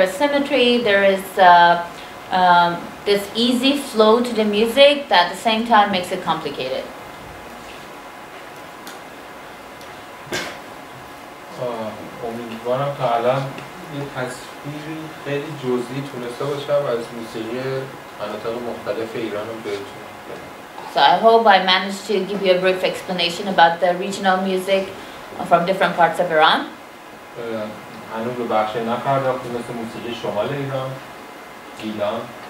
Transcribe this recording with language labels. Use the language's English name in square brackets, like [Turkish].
[English] This easy flow to the music that at the same time makes it complicated. [Persian] امیدوارم تا الان یه تصویری خیلی جزئی تونسته باشم از موسیقی مناطق مختلف ایران رو بهتون بدم. [English] So I hope I managed to give you a brief explanation about the regional music from different parts of Iran. [Persian] هنوز به بخش نپرداختم مثل موسیقی شمال ایران، گیلان.